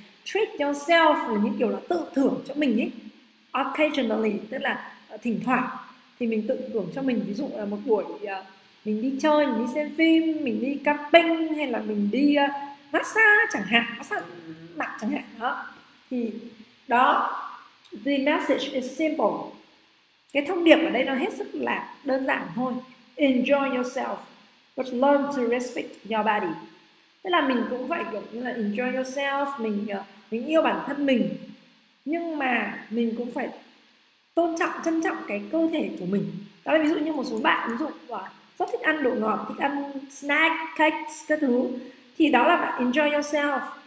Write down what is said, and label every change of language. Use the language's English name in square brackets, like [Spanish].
[English] Treat yourself [Vietnamese] là những kiểu là tự thưởng cho mình ấy, occasionally tức là thỉnh thoảng thì mình tự thưởng cho mình, ví dụ là một buổi mình đi chơi, mình đi xem phim, mình đi camping, hay là mình đi massage chẳng hạn, massage mặt chẳng hạn đó. Thì đó, [English] the message is simple, [Vietnamese] cái thông điệp ở đây nó hết sức là đơn giản thôi. [English] Enjoy yourself but learn to respect your body. [Vietnamese] Tức là mình cũng vậy, kiểu như là [English] enjoy yourself, [Vietnamese] mình yêu bản thân mình, nhưng mà mình cũng phải tôn trọng, trân trọng cái cơ thể của mình. Đó là ví dụ như một số bạn, ví dụ rất thích ăn đồ ngọt, thích ăn snack, cakes, các thứ, thì đó là bạn [English] enjoy yourself.